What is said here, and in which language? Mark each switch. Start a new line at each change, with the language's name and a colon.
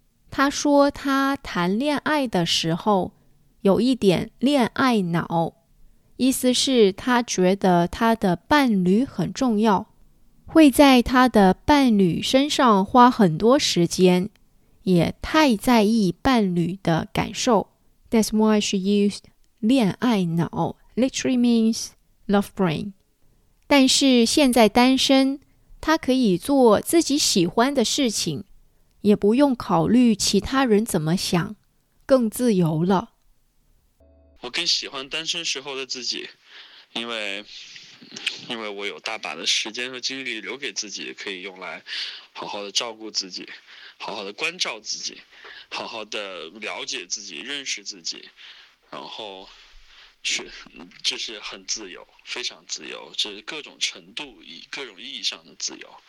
Chinese: 他说他谈恋爱的时候有一点恋爱脑，意思是他觉得他的伴侣很重要，会在他的伴侣身上花很多时间，也太在意伴侣的感受。
English: That's why she used 恋爱脑 literally means love brain.
Chinese: 但是现在单身，她可以做自己喜欢的事情，也不用考虑其他人怎么想，更自由了。我更喜欢单身时候的自己，因为我有大把的时间和精力留给自己，可以用来好好的照顾自己，好好的关照自己，好好的了解自己，认识自己，然后是这、就是很自由，非常自由，这、就是各种程度以各种意义上的自由。